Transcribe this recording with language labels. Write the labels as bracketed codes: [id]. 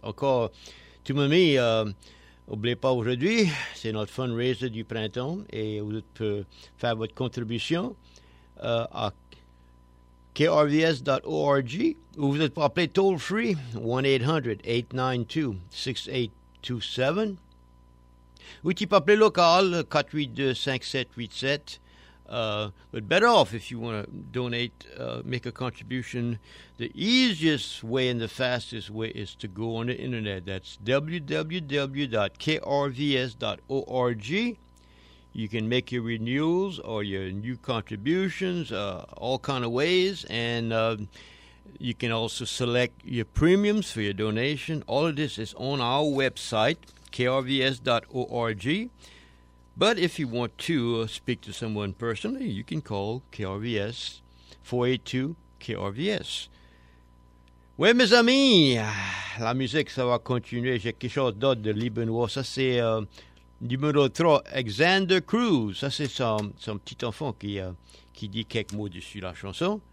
[fr] Encore, tout mon ami, n'oubliez pas aujourd'hui, c'est notre fundraiser du printemps et vous pouvez faire votre contribution à krvs.org ou vous pouvez appeler toll free 1-800-892-6827. Ou tu peux appeler local 482-5787. [en] But better off if you want to donate, make a contribution. The easiest way and the fastest way is to go on the internet. That's www.krvs.org. You can make your renewals or your new contributions, all kind of ways. And You can also select your premiums for your donation. All of this is on our website, krvs.org. But if you want to speak to someone personally, you can call KRVS, 482-KRVS. [fr] Oui, mes amis, la musique, ça va continuer. J'ai quelque chose d'autre de Libanois. Ça, c'est numéro 3, Xander Cruz. Ça, c'est son petit enfant qui dit quelques mots dessus la chanson.